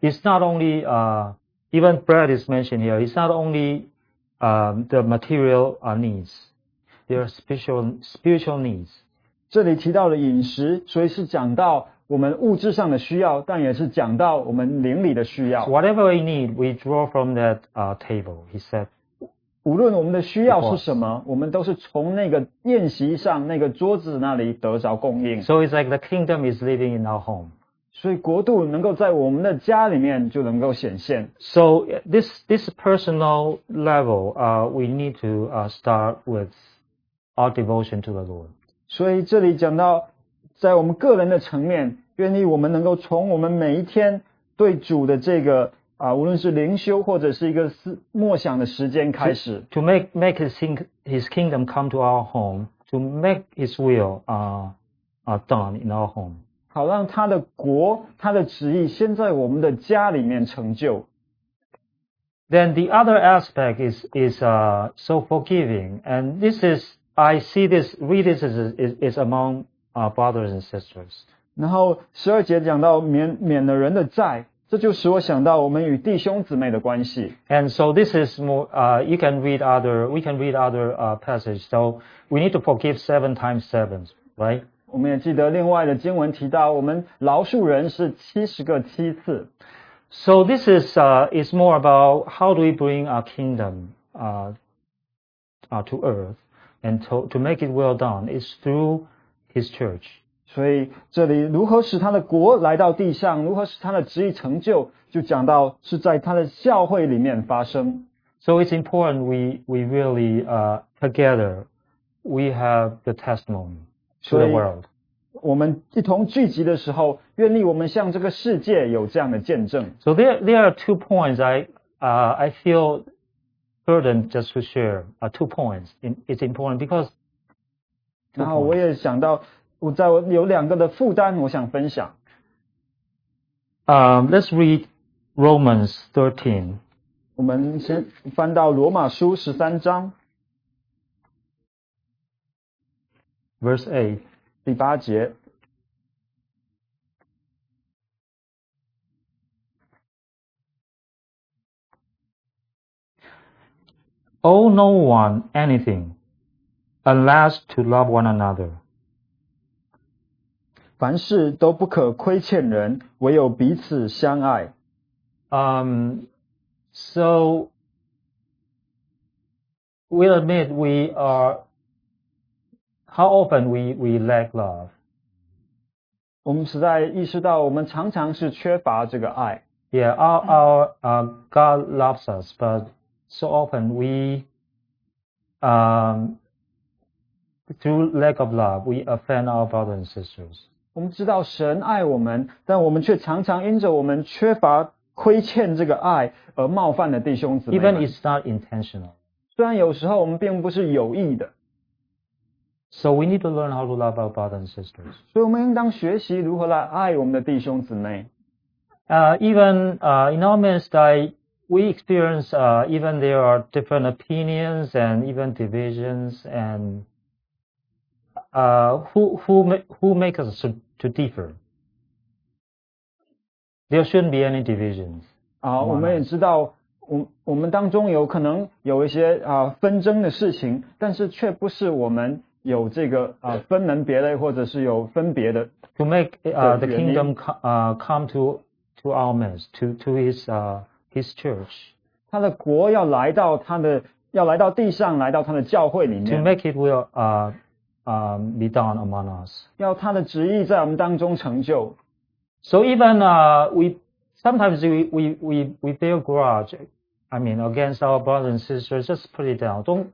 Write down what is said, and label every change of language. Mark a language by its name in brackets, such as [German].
[English] It's not only, even bread is mentioned here, it's not only the material needs, there are spiritual needs. [Chinese] 这里提到了饮食，所以是讲到我们物质上的需要，但也是讲到我们灵里的需要。 [English] So、whatever we need, we draw from that table, he said. [Chinese] 无论我们的需要是什么，我们都是从那个宴席上那个桌子那里得着供应。 [English] So it's like the kingdom is living in our home. [Chinese] 所以国度能够在我们的家里面就能够显现。 [English] So this personal level, we need to start with our devotion to the Lord. [Chinese] 所以这里讲到在我们个人的层面，愿意我们能够从我们每一天对主的这个无论是灵修或者是一个默想的时间开始。 [English] To make his kingdom come to our home, to make his will done in our home. [Chinese] 好让他的国他的旨意先在我们的家里面成就。 [English] Then the other aspect is so forgiving. And this is, I see this, read this is among our brothers and sisters. [Chinese] 然后十二节讲到免了人的债。这就使我想到我们与弟兄姊妹的关系。 [English] And so this is more, we can read other passage. So we need to forgive 7 times 7, right? [Chinese] 我们也记得另外的经文提到我们饶恕人是70个7次。 [English] So this is more about how do we bring our kingdom, to earth and to make it well done. It's through his church. [Chinese] 所以这里如何使他的国来到地上，如何使他的旨意成就，就讲到是在他的教会里面发生。 [English] So it's important we really together we have the testimony to the world. [Chinese] 我们一同聚集的时候，愿意我们向这个世界有这样的见证。 [English] So there are two points I feel burdened just to share. Two points. It's important because. [Chinese] 然后我也想到。我在我有两个的负担我想分享。 [English] Let's read Romans 13. [Chinese] 我们先翻到罗马书13章。 [English] Verse 8. [Chinese] 第八节。 [English] Owe no one anything unless to love one another. [Chinese] 凡事都不可亏欠人，唯有彼此相爱。 [English] So we admit we are how often we lack love. [Chinese] 我们实在意识到我们常常是缺乏这个爱。 [English] Yeah, our God loves us, but so often we through lack of love, we offend our brothers and sisters. [Chinese] 我们知道神爱我们，但我们却常常因着我们缺乏亏欠这个爱而冒犯了弟兄姊妹。 [English] Even it's not intentional. [Chinese] 虽然有时候我们并不是有意的。 [English] So we need to learn how to love our brothers and sisters. [Chinese] 所以我们应当学习如何来爱我们的弟兄姊妹。 [English] Even in our ministry, we experience even there are different opinions and even divisions and who make us to differ. There shouldn't be any divisions. [Chinese] 我们也知道我们当中有可能有一些纷争的事情，但是却不是我们有这个分门别类或者是有分别的。 [English] To make the kingdom come to our midst, to his church. [Chinese] 他的国要来到他的要来到地上，来到他的教会里面。 [English] To make it will be done among us. [Chinese] 要他的旨意在我们当中成就。 [English] So even we sometimes feel grudge, I mean, against our brothers and sisters, just put it down.